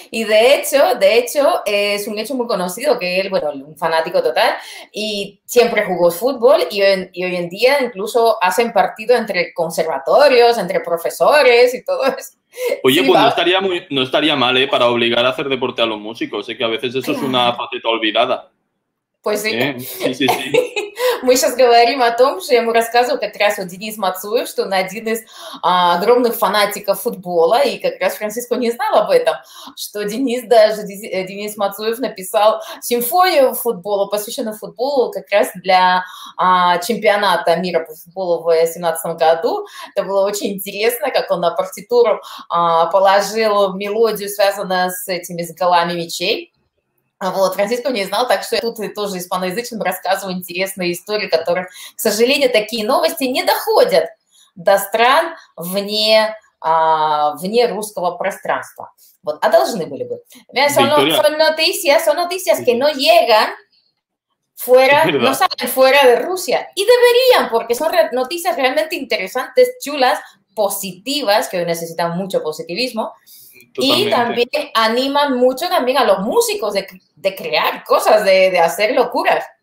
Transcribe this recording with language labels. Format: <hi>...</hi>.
<es>Y de hecho, es un hecho muy conocido que él, bueno, un fanático total, y siempre jugó fútbol, y hoy en día incluso hacen partido entre conservatorios, entre profesores y todo eso. Oye, sí, pues no estaría mal, ¿eh? Para obligar a hacer deporte a los músicos, sé ¿eh? Que a veces eso es una faceta olvidada. Pues sí. Sí.</es> <ru>Мы сейчас говорим о том, что я ему рассказываю как раз вот Денис Мацуев, что он один из огромных фанатиков футбола, и как раз Франциско не знал об этом, что Денис Мацуев написал симфонию футбола, посвященную футболу как раз для чемпионата мира по футболу в 2017 году. Это было очень интересно, как он на партитуру положил мелодию, связанную с этими с голами мячей. Вот, Франциско не знал, так что я тут тоже испаноязычным рассказываю интересные истории, которые, к сожалению, такие новости не доходят до стран вне русского пространства. Вот, а должны были бы.</ru> <es>Son noticias que no llegan fuera, no salen fuera de Rusia. Y deberían, porque son noticias realmente interesantes, chulas, positivas, que hoy necesitan mucho positivismo. Totalmente. Y también animan mucho también a los músicos de crear cosas, de hacer locuras.</es>